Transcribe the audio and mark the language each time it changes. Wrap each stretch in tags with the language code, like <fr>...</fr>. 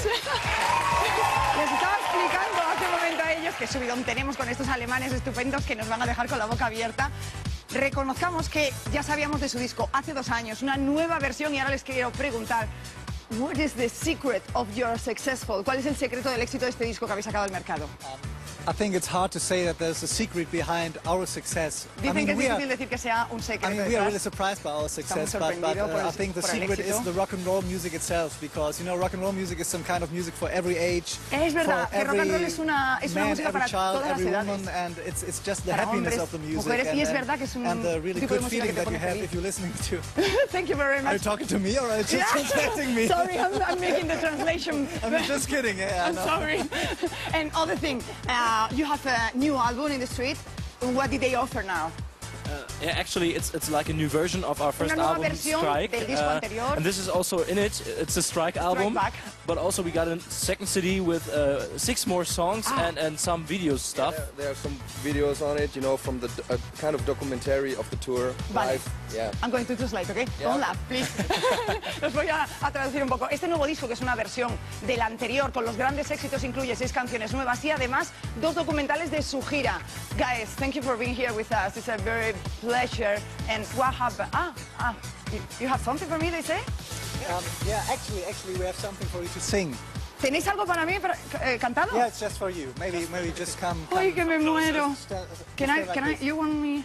<es>Les estaba explicando hace un momento a ellos qué subidón tenemos con estos alemanes estupendos que nos van a dejar con la boca abierta. Reconozcamos que ya sabíamos de su disco hace 2 años, una nueva versión, y ahora les quiero preguntar,</es> <en>what is the secret of your successful?</en> <es>¿Cuál es el secreto del éxito de este disco que habéis sacado al mercado?</es> <en>I think it's hard to say that there's a secret behind our success.</en> <es>Dicen que es difícil decir que sea un secreto.</es> <en>I mean, we are really surprised by our success, but I think the secret is the rock and roll music itself, because, you know, rock and roll music is some kind of music for every age.</en> <es>Es verdad, que rock and roll es una música para todas las edades.</es> <en>Child, every woman, and it's just the happiness of the music.</en> <es>Para hombres, mujeres, y es verdad que es un tipo de música que te pone feliz.</es> <en>That you have if you're listening to. Thank you very much. Are you talking to me or are you just translating me? Sorry, I'm making the translation. I'm just kidding. I'm sorry. And other thing. You have a new album in the street. What did they offer now? Yeah, actually, it's like a new version of our first album, Strike. And this is also in it. It's a Strike album. Strike back. But also we got a second CD with 6 more songs and some video stuff. Yeah, there are some videos on it, you know, from the kind of documentary of the tour.</en> <es>Vale.</es> <en>Live. Yeah. I'm going to translate, okay? Yeah.</en> <es>Hola, please. Os voy a traducir un poco. Este nuevo disco, que es una versión del anterior, con los grandes éxitos, incluye 6 canciones nuevas y además 2 documentales de su gira.</es> <en>Guys, thank you for being here with us. It's a very pleasure. And what happened? You have something for me, they say? Yeah, actually, we have something for you to sing.</en> <es>¿Tenéis algo para mí, cantado?</es> <en>Yeah, it's just for you. Maybe just come.</en> <es>Uy, que me muero.</es> <en>Can I? You want me?</en>